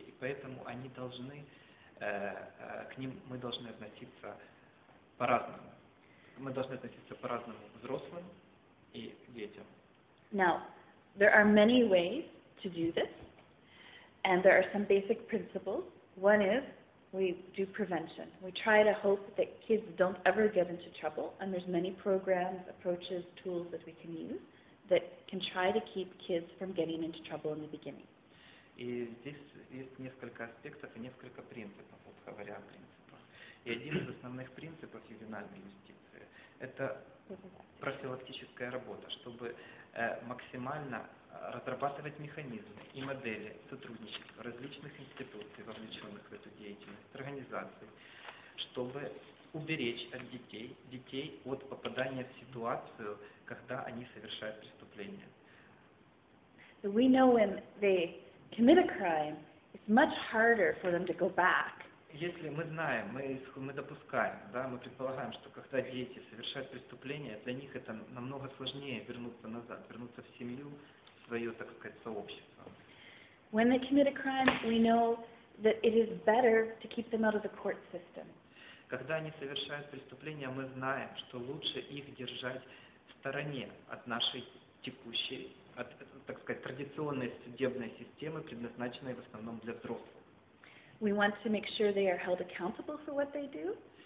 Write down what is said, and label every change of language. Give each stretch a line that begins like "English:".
Russian: И поэтому они должны, к ним мы должны относиться по-разному. Мы должны относиться по-разному к взрослым и детям.
English: Now, there are many ways to do this, and there are some basic principles. One is we do prevention. We try to hope that kids don't ever get into trouble, and there's many programs, approaches, tools that we can use that can try to keep kids from getting into trouble in the beginning.
Russian: И здесь есть несколько аспектов и несколько принципов, вот говоря о принципах. И один из основных принципов ювенальной юстиции – это профилактическая работа, чтобы максимально разрабатывать механизмы и модели сотрудничества различных институций, вовлеченных в эту деятельность, организаций, чтобы уберечь от детей от попадания в ситуацию, когда они совершают преступление.
English: So we know when they commit a crime, it's much harder for them to go back.
Russian: Если мы знаем, мы допускаем, да, мы предполагаем, что когда дети совершают преступление, для них это намного сложнее вернуться назад, вернуться в семью, в свое, так сказать, сообщество.
English: When they commit a crime, we know that it is better to keep them out of the court system.
Russian: Когда они совершают преступление, мы знаем, что лучше их держать в стороне от нашей текущей, от, так сказать, традиционной судебной системы, предназначенной в основном для взрослых.
English: We want to make sure they are held accountable for what they do.